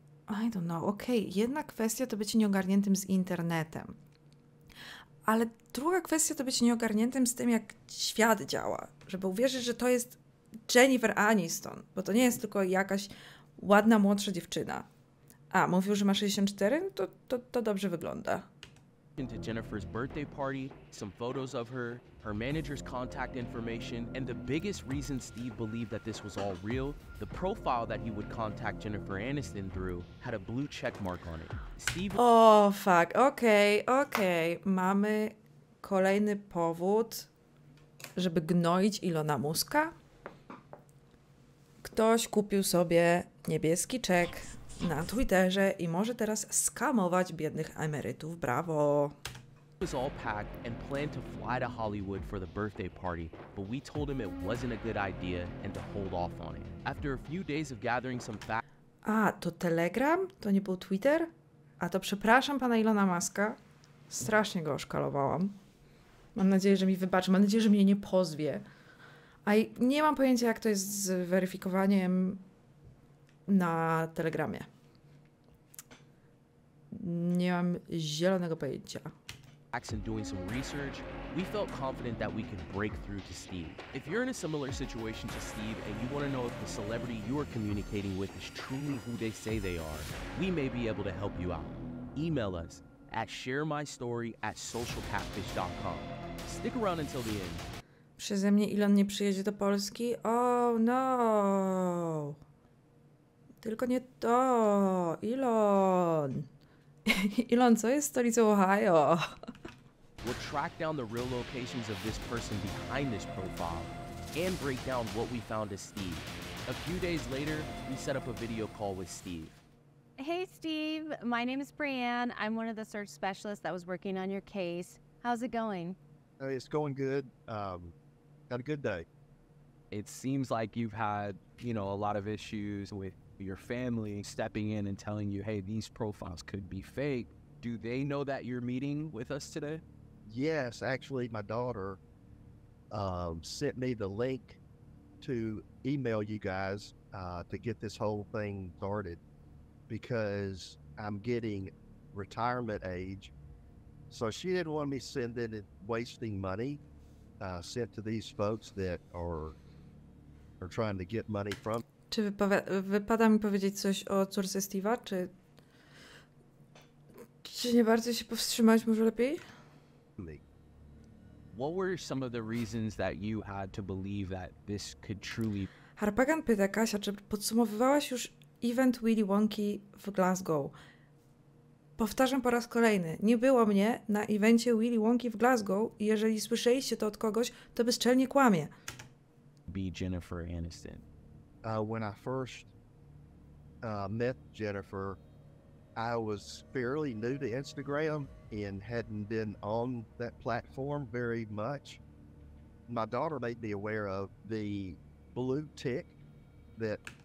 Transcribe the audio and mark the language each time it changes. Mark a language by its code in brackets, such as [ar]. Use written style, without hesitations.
[en] I don't know. [pl] Okej, jedna kwestia to być nieogarniętym z internetem. Ale druga kwestia to być nieogarniętym z tym, jak świat działa. Żeby uwierzyć, że to jest Jennifer Aniston. Bo to nie jest tylko jakaś ładna, młodsza dziewczyna. A, mówił, że ma 64? To dobrze wygląda. [en] ...to Jennifer's birthday party, some photos of her, her manager's contact information, and the biggest reason Steve believed that this was all real, the profile that he would contact Jennifer Aniston through had a blue check mark on it. Steve... Oh, fuck. Okej. [pl] Mamy kolejny powód, żeby gnoić Ilona Muska? Ktoś kupił sobie niebieski czek na Twitterze i może teraz skamować biednych emerytów. Brawo. [en] It was all packed and planned to fly to Hollywood for the birthday party, but we told him it wasn't a good idea and to hold off on it. After a few days of gathering some facts. [pl] A, to Telegram? To nie był Twitter? A to przepraszam pana Ilona Muska. Strasznie go oszkalowałam. Mam nadzieję, że mi wybaczy. Mam nadzieję, że mnie nie pozwie. A nie mam pojęcia, jak to jest z weryfikowaniem na Telegramie. Nie mam zielonego pojęcia. [en] And doing some research, we felt confident that we could break through to Steve. If you're in a similar situation to Steve and you want to know if the celebrity you are communicating with is truly who they say they are, we may be able to help you out. Email us at sharemystory@socialcatfish.com. Stick around until the end. [pl] Przeze mnie Elon nie przyjedzie do Polski? [en] Oh no! [pl] Tylko nie to! Elon! Elon, co jest stolicą Ohio? [en] We'll track down the real locations of this person behind this profile and break down what we found as Steve. A few days later, we set up a video call with Steve. Hey, Steve. My name is Brianne. I'm one of the search specialists that was working on your case. How's it going? Hey, it's going good. Had a good day. It seems like you've had, you know, a lot of issues with your family stepping in and telling you, hey, these profiles could be fake. Do they know that you're meeting with us today? Yes, actually, my daughter sent me the link to email you guys to get this whole thing started, because I'm getting retirement age. So she didn't want me sending it, wasting money sent to these folks that are trying to get money from. [pl] Czy wypada mi powiedzieć coś o córce Steve'a, czy nie bardzo się powstrzymać, może lepiej? [en] What were some of the reasons that you had to believe that this could truly... [pl] Harpagan pyta Kasia, czy podsumowywałaś już event Willy Wonki w Glasgow? Powtarzam po raz kolejny. Nie było mnie na evencie Willy Wonki w Glasgow i jeżeli słyszeliście to od kogoś, to bezczelnie kłamie. [en] Be Jennifer Aniston. When I first met Jennifer, I was fairly new to Instagram and hadn't been on that platform very much. My daughter made me aware of the blue tick that...